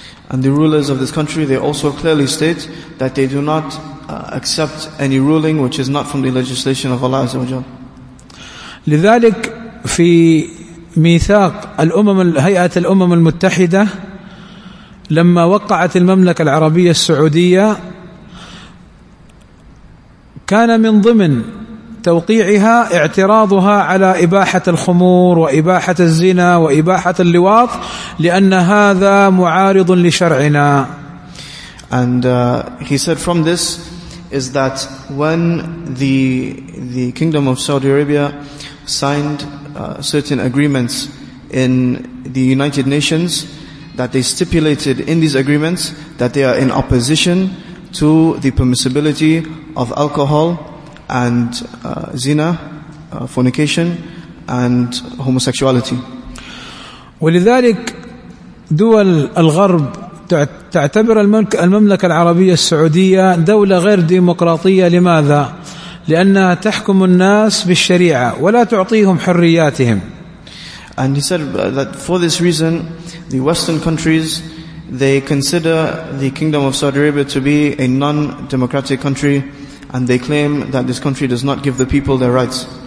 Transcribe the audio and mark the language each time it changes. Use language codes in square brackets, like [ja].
[en] And the rulers of this country, they also clearly state that they do not accept any ruling which is not from the legislation of Allah [ar] عز وجل. لذلك في ميثاق الأمم, هيئة الأمم المتحدة, لما وقعت المملكة العربية السعودية, كان من ضمن توقيعها اعتراضها على إباحة الخمور وإباحة الزنا وإباحة اللواط لأن هذا معارض لشرعنا. [en] And he said from this is that when the Kingdom of Saudi Arabia signed certain agreements in the United Nations that they stipulated in these agreements that they are in opposition to the permissibility of alcohol and zina, fornication and homosexuality. [ar] ولذلك دول الغرب تعتبر المملكة العربية السعودية دولة غير ديمقراطية. لماذا؟ لأنها تحكم الناس بالشريعة ولا تعطيهم حرياتهم. [en] And he said that for this reason, the Western countries, they consider the Kingdom of Saudi Arabia to be a non-democratic country, and they claim that this country does not give the people their rights.